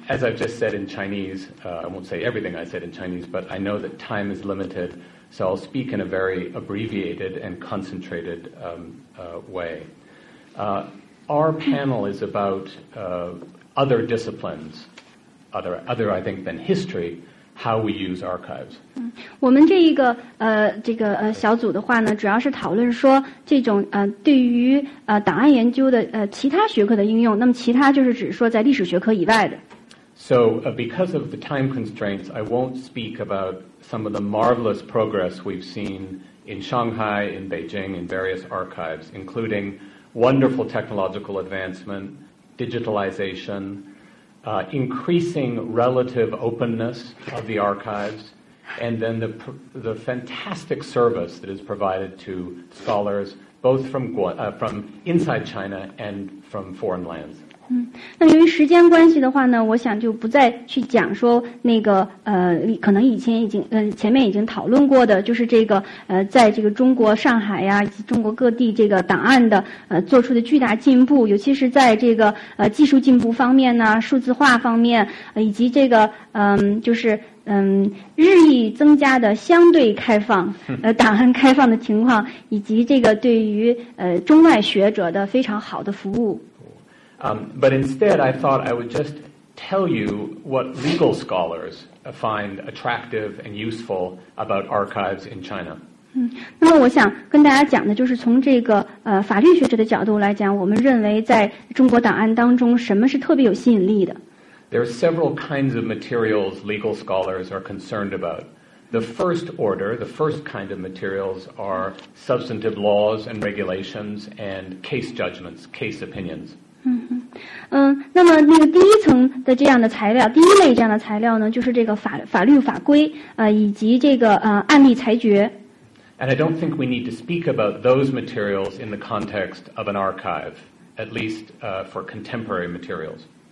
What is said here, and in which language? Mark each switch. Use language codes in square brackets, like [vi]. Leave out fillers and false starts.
[en] As I've just said in Chinese, I won't say everything I said in Chinese, but I know that time is limited, so I'll speak in a very abbreviated and concentrated way. Our panel is about other disciplines, other I think than history. How we use archives. [zh] 我们这一个小组的话呢，主要是讨论说这种对于档案研究的其他学科的应用。那么其他就是指说在历史学科以外的。 [en] So because of the time constraints, I won't speak about some of the marvelous progress we've seen in Shanghai, in Beijing, in various archives, including wonderful technological advancement, digitalization. Increasing relative openness of the archives, and then the fantastic service that is provided to scholars, both from inside China and from foreign lands. [zh] 那由于时间关系的话呢，我想就不再去讲说那个可能以前已经前面已经讨论过的，就是这个在这个中国上海呀、以及中国各地这个档案的做出的巨大进步，尤其是在这个技术进步方面呢、数字化方面，以及这个日益增加的相对开放档案开放的情况，以及这个对于中外学者的非常好的服务。 [en] But instead, I thought I would just tell you what legal scholars find attractive and useful about archives in China. [zh] 那么我想跟大家讲的就是从这个法律学者的角度来讲，我们认为在中国档案当中什么是特别有吸引力的。 [en] There are several kinds of materials legal scholars are concerned about. The first kind of materials are substantive laws and regulations and case judgments, case opinions. [zh] 那么那个第一层的这样的材料，第一类这样的材料呢，就是这个法律法规，以及这个案例裁决。 [en] And I don't think we need to speak about those materials in the context of an archive, at least for contemporary materials.